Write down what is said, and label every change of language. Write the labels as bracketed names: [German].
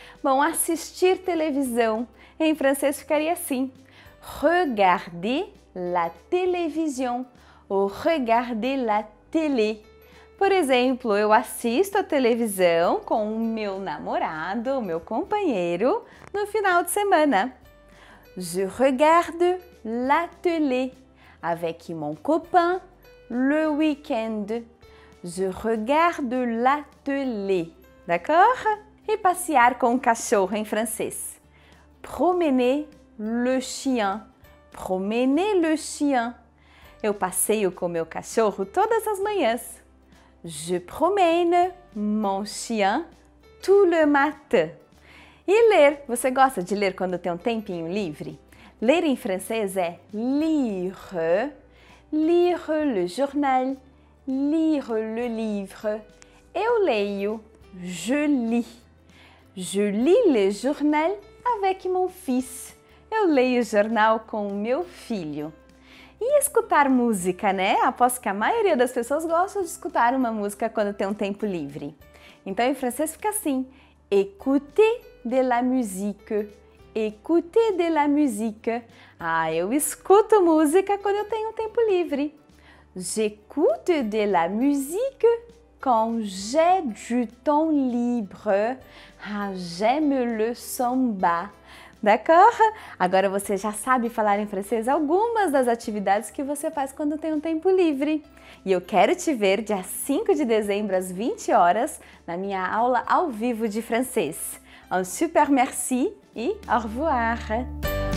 [Portuguese] Bom, assistir televisão. Em francês ficaria assim: [French] regarder la télévision ou regarder la télé. [Portuguese] Por exemplo, eu assisto a televisão com o meu namorado, o meu companheiro, no final de semana. [French] Je regarde la télé avec mon copain le week-end. Je regarde la télé. D'accord? [Portuguese] E passear com o cachorro em francês. [French] Promener le chien. Promener le chien. [Portuguese] Eu passeio com meu cachorro todas as manhãs. [French] Je promène mon chien tout le matin. [Portuguese] E ler. Você gosta de ler quando tem um tempinho livre? Ler em francês é [French] lire. Lire le journal. Lire le livre. [Portuguese] Eu leio. [French] Je lis. Je lis le journal avec mon fils. [Portuguese] Eu leio o jornal com o meu filho. E escutar música, né? Aposto que a maioria das pessoas gosta de escutar uma música quando tem um tempo livre. Então, em francês fica assim: [French] écouter de la musique. Écouter de la musique. [Portuguese] Ah, eu escuto música quando eu tenho um tempo livre. [French] J'écoute de la musique. Quand j'ai du temps libre, ah, j'aime le samba. D'accord? [Portuguese] Agora você já sabe falar em francês algumas das atividades que você faz quando tem um tempo livre. E eu quero te ver dia 5 de dezembro às 20 horas na minha aula ao vivo de francês. [French] Un super merci et au revoir!